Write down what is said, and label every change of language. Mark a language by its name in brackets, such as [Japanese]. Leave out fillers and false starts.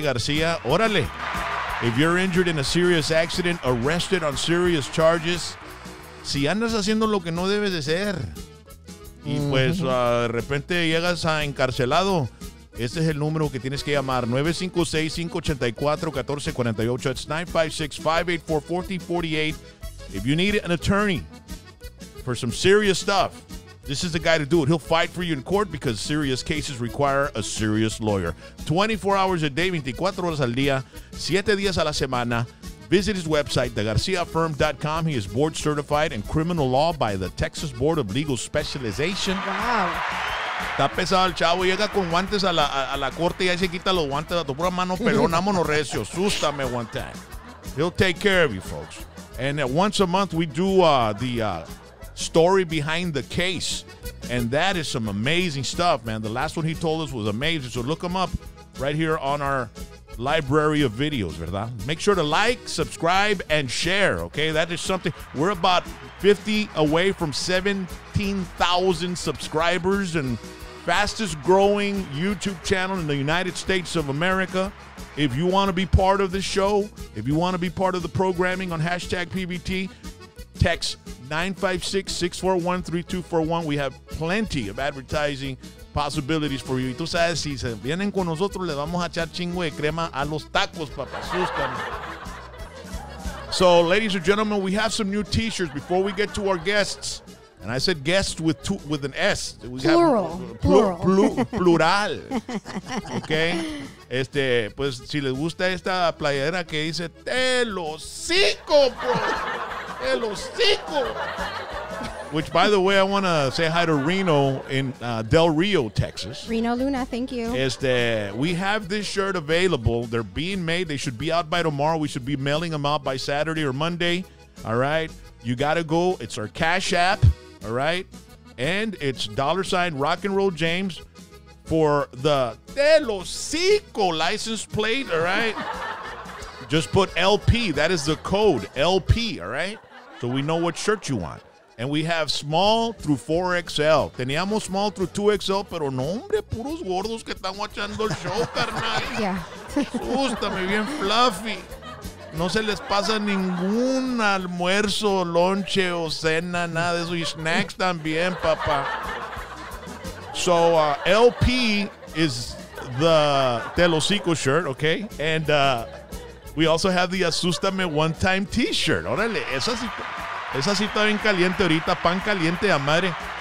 [Spanish] Garcia. Órale. [English] If you're injured in a serious accident, arrested on serious charges, [Spanish] si andas haciendo lo que no debes de ser, y pues de repente llegas a encarcelado, este es el número que tienes que llamar, 956-584-1448. [English] It's 956-584-4048. If you need an attorney for some serious stuff, this is the guy to do it. He'll fight for you in court because serious cases require a serious lawyer. 24 hours a day, [Spanish] 24 horas al día, 7 días a la semana. [English] Visit his website, thegarciafirm.com. He is board certified in criminal law by the Texas Board of Legal Specialization. Wow. [Spanish] Está pesado el chavo. Llega con guantes a la corte y ahí se quita los guantes. A tu pura mano pelón, vámonos recio. [English] Sústame one time. He'll take care of you, folks. And once a month, we do the story behind the case. And that is some amazing stuff, man. The last one he told us was amazing. So look him up right here on our library of videos, ¿verdad? Make sure to like, subscribe, and share, okay? That is something. We're about 50 away from 17,000 subscribers and fastest growing YouTube channel in the United States of America. If you want to be part of the show, if you want to be part of the programming on hashtag PBT, text 956-641-3241. We have plenty of advertising possibilities for you. [Spanish] Y tú sabes, si se vienen con nosotros, le vamos a echar chingo de crema a los tacos, papá. [English] So, ladies and gentlemen, we have some new t-shirts. Before we get to our guests, and I said guests with an S. We plural. Have, plural. Okay? [Spanish] Este, pues, si les gusta esta playera que dice, te lo cico, bro. Te lo cico. [English] Which, by the way, I want to say hi to Reno in Del Rio, Texas. Reno Luna, thank you. Este, we have this shirt available. They're being made. They should be out by tomorrow. We should be mailing them out by Saturday or Monday. All right? You got to go. It's our Cash App. All right? And it's $ Rock and Roll James for the De Los Cinco license plate. All right? Just put LP. That is the code, LP. All right? So we know what shirt you want. And we have small through 4XL. [Spanish] Teníamos [English] small through 2XL, [Spanish] pero no, hombre, puros gordos que están watchando el show, carnal. [English] Yeah. [Spanish] Sústame, bien fluffy. No se les pasa ningún almuerzo, lonche o cena, nada de eso. Y snacks también, papá. [English] So, LP is the Telocico shirt, okay? And we also have the Asústame One Time t-shirt. [Spanish] Órale, esa sí. Esa sí está bien caliente ahorita, pan caliente a madre.